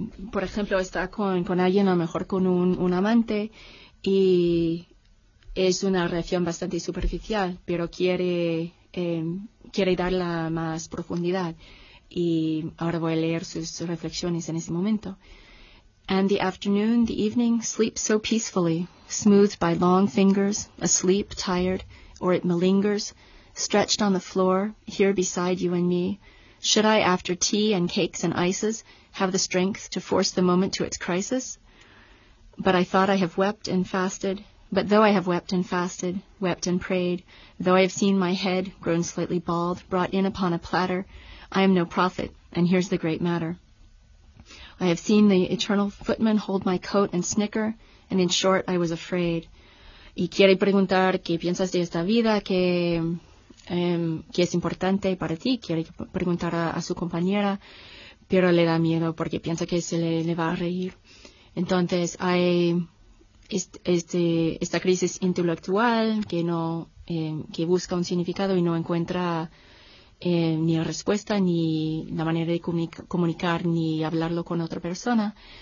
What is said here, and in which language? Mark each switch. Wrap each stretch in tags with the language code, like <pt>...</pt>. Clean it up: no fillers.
<es>Por ejemplo, está con alguien, a lo mejor con un amante, y es una reacción bastante superficial, pero quiere darle más profundidad. Y ahora voy a leer sus reflexiones en ese momento.</es> <en>And the afternoon, the evening, sleeps so peacefully, smoothed by long fingers, asleep, tired, or it malingers, stretched on the floor, here beside you and me, should I, after tea and cakes and ices, have the strength to force the moment to its crisis? But I thought I have wept and fasted, but though I have wept and fasted, wept and prayed, though I have seen my head, grown slightly bald, brought in upon a platter, I am no prophet, and here's the great matter. I have seen the eternal footman hold my coat and snicker, and in short, I was afraid.</en> <es>Y quiere preguntar qué piensas de esta vida, qué es importante para ti. Quiere preguntar a su compañera, pero le da miedo porque piensa que se le va a reír. Entonces, hay esta crisis intelectual que busca un significado y no encuentra ni respuesta, ni la manera de comunicar, ni hablarlo con otra persona.</es>